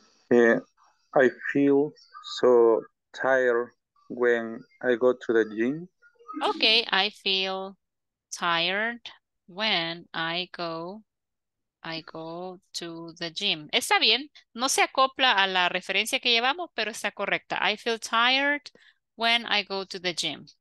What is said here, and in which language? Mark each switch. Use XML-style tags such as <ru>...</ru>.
<en>Yeah, I feel so tired when I go to the gym. Okay, I feel tired when I go to the gym.</en> <es>Está bien. No se acopla a la referencia que llevamos, pero está correcta.</es> <en>I feel tired when I go to the gym.</en>